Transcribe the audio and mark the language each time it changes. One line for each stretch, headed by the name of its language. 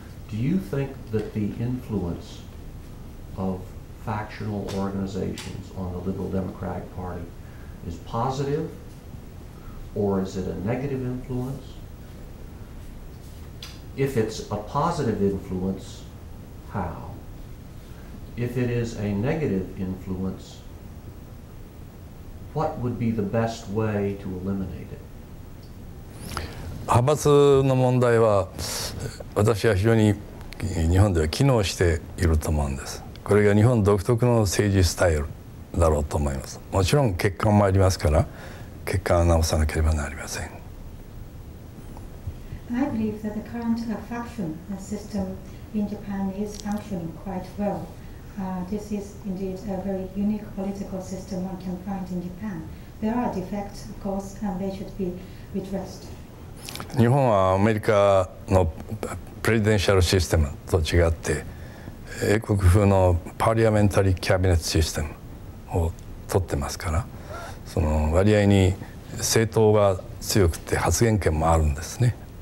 English: Do you think that the influence of factional organizations on the Liberal Democratic Party is positive, or is it a negative influence, If it's a positive influence, how? If it is a negative influence, what would be the best way to eliminate it?
Japanese: 派閥の問題は、私は非常に日本では機能していると思うんです。これが日本独特の政治スタイルだろうと思います。もちろん欠陥もありますから、欠陥を直さなければなりません。
English: I believe that the current faction system in Japan is functioning quite well. This is indeed a very unique political system one can find in Japan. There are defects, of course, and they should be redressed.
Japanese: 日本はアメリカのプレジデンシャルシステムと違って、英国風のパーリアメンタリーキャビネットシステムを取ってますから、その割合に政党が強くて発言権もあるんですね。